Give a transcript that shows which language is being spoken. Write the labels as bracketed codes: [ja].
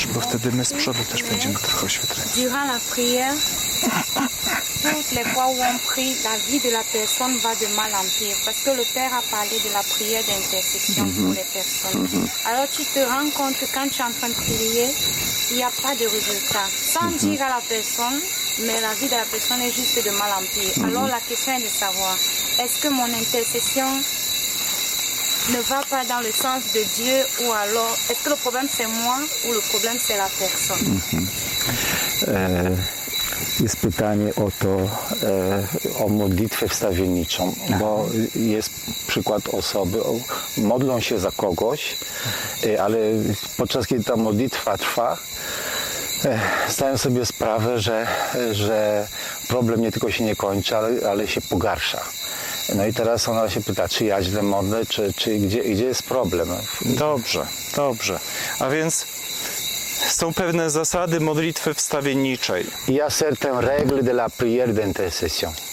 [pl] Bo wtedy my z przodu też będziemy trochę oświetleni. [fr] Durant la prière, toutes les fois où on prie, la vie de la personne va de mal en pire. Parce que le Père a parlé de la prière d'intercession pour les personnes. Alors tu te rends compte que quand tu es en train de prier, il n'y a pas de résultat. Sans dire à la personne, mais la vie de la personne est juste de mal en pire. Alors la question est de savoir, est-ce que mon intercession ne va pas dans le sens de Dieu, ou alors est-ce que le problème c'est moi ou le problème c'est la personne? [pl] Jest pytanie o to, o modlitwę wstawienniczą, bo jest przykład osoby, modlą się za kogoś, ale podczas kiedy ta modlitwa trwa, zdają sobie sprawę, że problem nie tylko się nie kończy, ale się pogarsza. No i teraz ona się pyta, czy ja źle modlę, czy gdzie jest problem? Dobrze. A więc są pewne zasady modlitwy wstawienniczej. [fr] Ja certain règles de la prière d'intercession.